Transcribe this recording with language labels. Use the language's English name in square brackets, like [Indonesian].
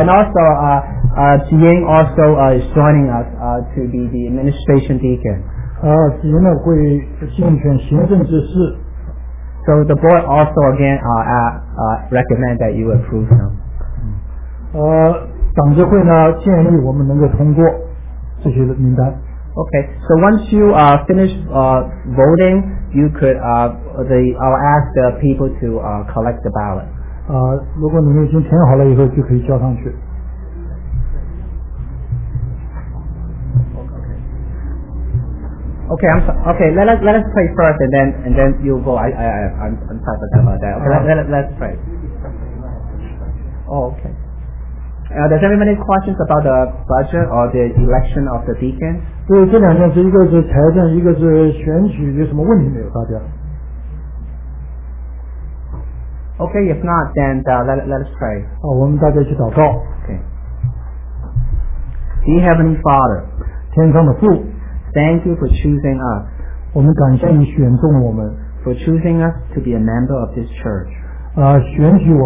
[English] And also Jian also is joining us to be the administration deacon. [Chinese] 吉英呢会竞选行政执事。 [English] So the board also again recommend that you approve them. [Chinese] 党支会呢建议我们能够通过这些名单。 [English] Okay, so once you finish voting, you could I'll ask the people to collect the ballot. [Chinese] 如果你们已经填好了以后，就可以交上去。 [English] Okay, let us pray first and then you'll go. I'm sorry about that. Okay, let's pray. Oh, okay. Does anybody have any questions about the budget or the election of the deacon? [Chinese] 对，这两件事，一个是财政，一个是选举，有什么问题没有，大家？ [English] Okay, if not, then let us pray. [Chinese] 哦，我们大家一起祷告。 Okay. [English] Dear Heavenly Father, [Chinese] 天上的父。 [English] Thank you for choosing us. [Chinese] 我们感谢你选中了我们。 [English] For choosing us to be a member of this church.